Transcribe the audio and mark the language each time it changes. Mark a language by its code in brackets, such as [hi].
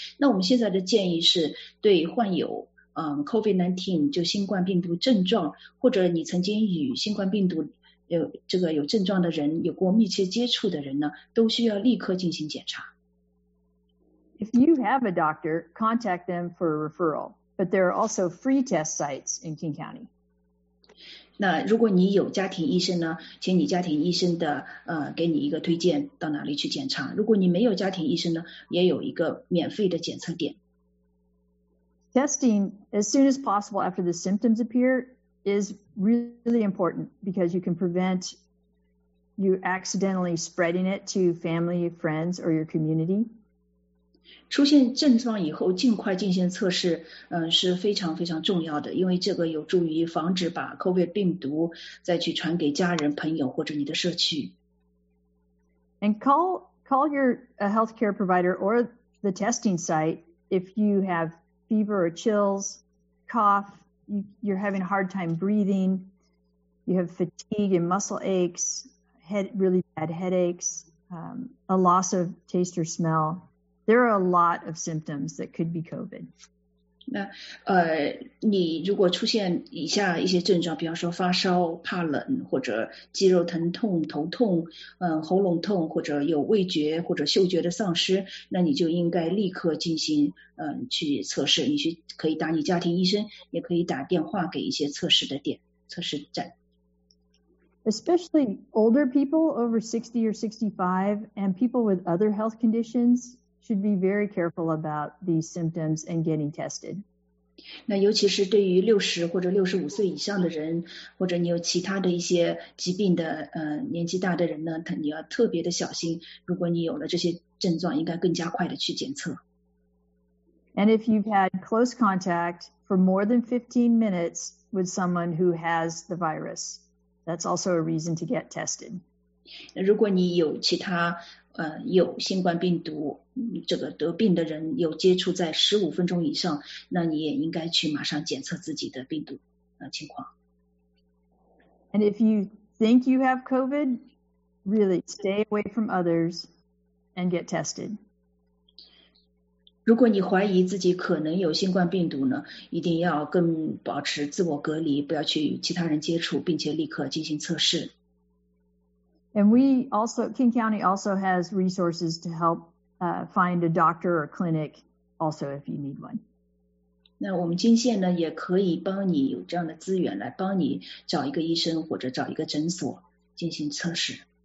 [zh] 那我们现在的建议是对患有COVID-19 就新冠病毒症状，或者你曾经与新冠病毒有这个有症状的人有过密切接触的人呢，都需要立刻进行检查。 [en] If you have a doctor, contact them for a referral. But there are also free test sites in King County. [zh] 那如果你有家庭医生呢，请你家庭医生的给你一个推荐到哪里去检查。如果你没有家庭医生呢，也有一个免费的检测点。 [en] Testing as soon as possible after the symptoms appear is really important because you can prevent you accidentally spreading it to family, friends, or your community. [zh] 出现症状以后尽快进行测试是非常非常重要的，因为这个有助于防止把 COVID 病毒再去传给家人、朋友或者你的社区。 [en] And call your healthcare provider or the testing site if you have fever or chills, cough, you're having a hard time breathing, you have fatigue and muscle aches, really bad headaches, a loss of taste or smell. There are a lot of symptoms that could be COVID. [zh] 那你如果出现以下一些症状，比方说发烧、怕冷，或者肌肉疼痛、头痛，喉咙痛，或者有味觉或者嗅觉的丧失，那你就应该立刻进行去测试。你去可以打你家庭医生，也可以打电话给一些测试的点、测试站。 [en] Especially older people over 60 or 65 and people with other health conditions. Should be very careful about these symptoms and getting tested. [zh] 那尤其是对于60或者65岁以上的人，或者你有其他的一些疾病的年纪大的人呢，你要特别的小心。如果你有了这些症状，应该更加快的去检测。 [en] And if you've had close contact for more than 15 minutes with someone who has the virus, that's also a reason to get tested. [zh] 如果你有其他有新冠病毒这个得病的人有接触在15分钟以上，那你也应该去马上检测自己的病毒情况。 [en] And if you think you have COVID, really stay away from others and get tested. [zh] 如果你怀疑自己可能有新冠病毒呢，一定要更保持自我隔离，不要去与其他人接触，并且立刻进行测试。 [en] And we also, King County also has resources to help find a doctor or clinic also if you need one. [zh] 那我们金县呢也可以帮你有这样的资源来帮你找一个医生或者找一个诊所进行测试。